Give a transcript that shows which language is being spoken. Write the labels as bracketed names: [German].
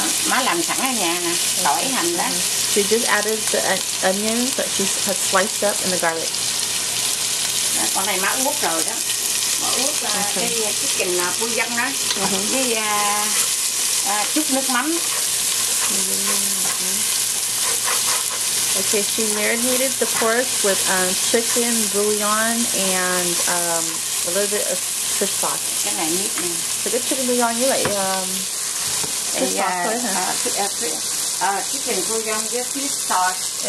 [Vietnamese] Má làm sẵn ở nhà nè, tỏi hành đó. [English] She just added the onions that she had sliced up and the garlic. [Vietnamese] Đó, con này má ướp rồi đó. Má ướp cái chicken phu dân đó. Với chút nước mắm. [English] Okay, she marinated the pork with chicken bouillon and a little bit of fish sauce. [Vietnamese] Cái này mít nè. Cái chicken bouillon với lại chicken bouillon với fish sauce.